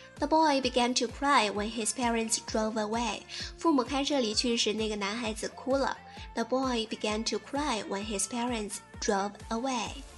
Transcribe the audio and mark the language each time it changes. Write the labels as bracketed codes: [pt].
[en] The boy began to cry when his parents drove away. [zh] 父母开车离去时，那个男孩子哭了。 [en] The boy began to cry when his parents drove away.